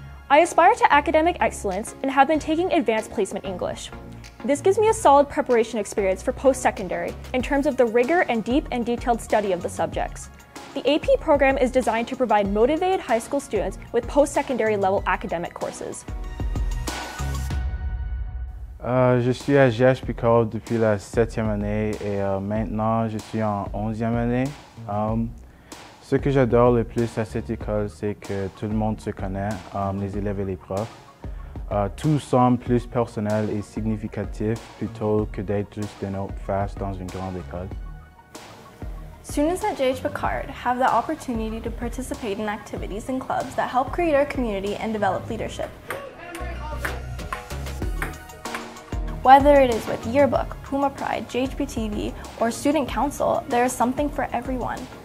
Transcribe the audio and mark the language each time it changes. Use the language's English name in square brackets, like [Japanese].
[English] I aspire to academic excellence and have been taking advanced placement English. This gives me a solid preparation experience for post-secondary in terms of the rigor and deep and detailed study of the subjects. The AP program is designed to provide motivated high school students with post-secondary level academic courses. [French] Je suis à JH Picard depuis la 7e année et maintenant je suis en 11e année. Ce que j'adore le plus à cette école, c'est que tout le monde se connaît, les élèves et les profs. Tout semble plus personnel et significatif plutôt que d'être juste une autre face dans une grande école. [English] Students at JH Picard have the opportunity to participate in activities and clubs that help create our community and develop leadership. Whether it is with Yearbook, Puma Pride, JHPTV, or Student Council, there is something for everyone.